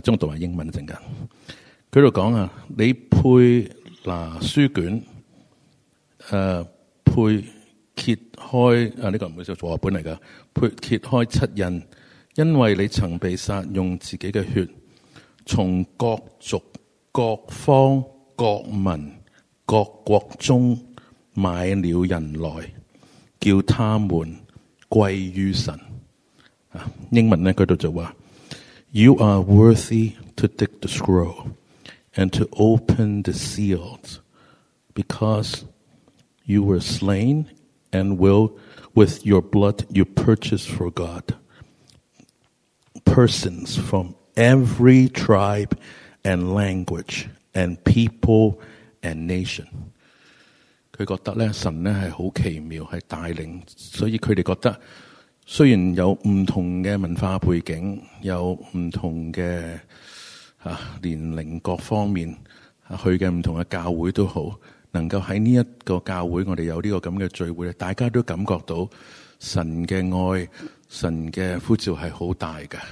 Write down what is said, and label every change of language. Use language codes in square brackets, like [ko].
[yue] 中读埋英文一阵间，佢度讲啊，你配拿书卷，配揭开啊，呢、这个唔好意思，我本嚟噶，配揭开七印，因为你曾被杀，用自己嘅血，从各族、各方、各民、各国中买了人来，叫他们归于神。啊，英文咧，佢度就话。 [en] You are worthy to take the scroll and to open the seals because you were slain and will with your blood you purchased for God persons from every tribe and language and people and nation. [yue] 他觉得呢神呢是很奇妙是带领，所以他们觉得虽然有唔同嘅文化背景，有唔同嘅年龄各方面，去嘅唔同嘅教会都好，能够喺呢一个教会，我哋有呢个咁嘅聚会，大家都感觉到神嘅爱、神嘅呼召系好大嘅。